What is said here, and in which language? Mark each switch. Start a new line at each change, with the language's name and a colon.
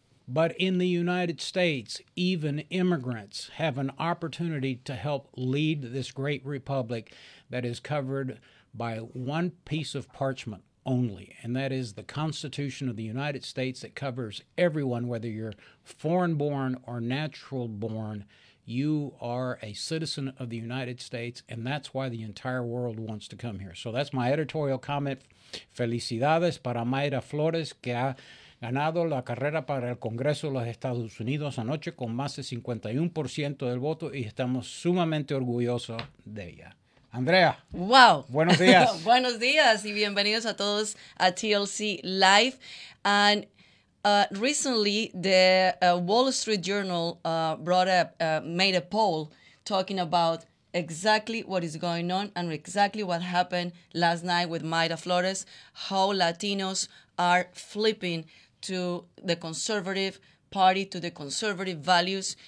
English: But in the United States, even immigrants have an opportunity to help lead this great republic that is covered by one piece of parchment only, and that is the Constitution of the United States that covers everyone, whether you're foreign-born or natural-born. You are a citizen of the United States, and that's why the entire world wants to come here. So that's my editorial comment.
Spanish: Felicidades para Mayra Flores, que ha ganado la carrera para el Congreso de los Estados Unidos anoche con más de 51% del voto, y estamos sumamente orgullosos de ella. Andrea. Wow. Buenos días. Buenos días y bienvenidos a todos a TLC Live.
English: And recently, the Wall Street Journal made a poll talking about exactly what is going on and exactly what happened last night with Mayra Flores, how Latinos are flipping to the conservative party, to the conservative values.